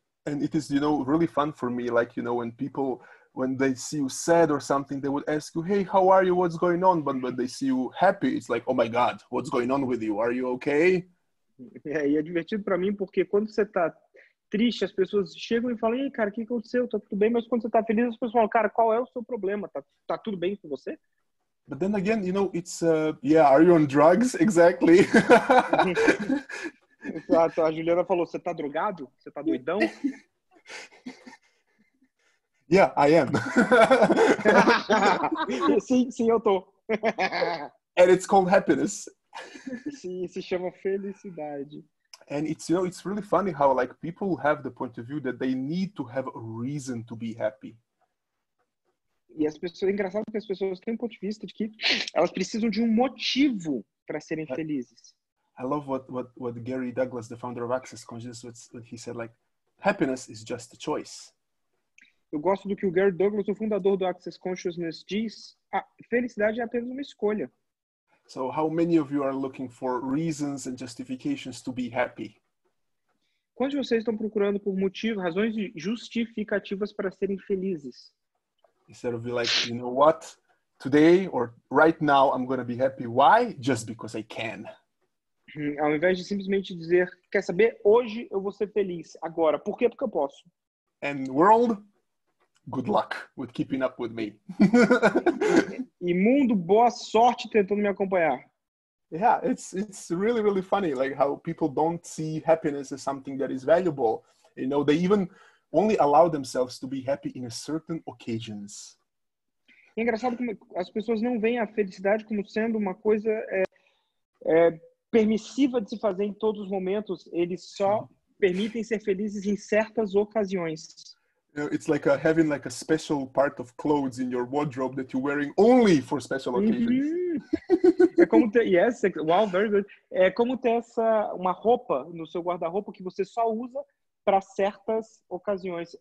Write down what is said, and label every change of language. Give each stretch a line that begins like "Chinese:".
English: And it is, you know, really fun for me, like, you know, when people, when they see you sad or something, they would ask you, hey, how are you? What's going on? But when they see you happy, it's like, oh my God, what's going on with you? Are you okay?
Portuguese: É, e é divertido pra mim, porque quando você tá triste, as pessoas chegam e falam, ei, cara, o que aconteceu? Tá tudo bem? Mas quando você tá feliz, as pessoas falam, cara, qual é o seu problema? Tá tudo bem com você?
English: But then again, you know, it's, yeah, are you on drugs? Exactly.
Portuguese: Exato, a Juliana falou, você tá drogado? Você tá doidão?
English: Yeah, I am.
Portuguese: sim, eu tô.
English: And it's called happiness.
Portuguese: Sim, se chama felicidade.
English: And it's, you know, it's really funny how, like, people have the point of view that they need to have a reason to be happy.
Portuguese: E as pessoas, é engraçado que as pessoas têm um ponto de vista de que elas precisam de um motivo para serem felizes.
English: I love what Gary Douglas, the founder of Access Consciousness, what he said, like, happiness is just a choice.
Portuguese: Eu gosto do que o Gary Douglas, o fundador do Access Consciousness, diz, felicidade é apenas uma escolha.
English: So how many of you are looking for reasons and justifications to be happy?
Portuguese: Quantos de vocês estão procurando por motivos, razões justificativas para serem felizes?
English: Instead of being like, you know what, today or right now I'm going to be happy. Why? Just because I can.
Portuguese: Ao invés de simplesmente dizer, quer saber, hoje eu vou ser feliz, agora. Por quê? Porque eu posso.
English: And world, good luck with keeping up with me.
Portuguese: E mundo, boa sorte tentando me acompanhar.
English: Yeah, it's really, really funny, like, how people don't see happiness as something that is valuable. You know, they even only allow themselves to be happy in a certain occasions.
Portuguese: É engraçado como as pessoas não veem a felicidade como sendo uma coisa permissiva de se fazer em todos os momentos. Eles só permitem ser felizes em certas ocasiões.
English: It's like having like a special part of clothes in your wardrobe that you're wearing only for special occasions. Uh-huh.
Portuguese: É como ter,
English: yes, wow, very good.
Portuguese: É como ter essa, uma roupa no seu guarda-roupa que você só usa para certas ocasiões.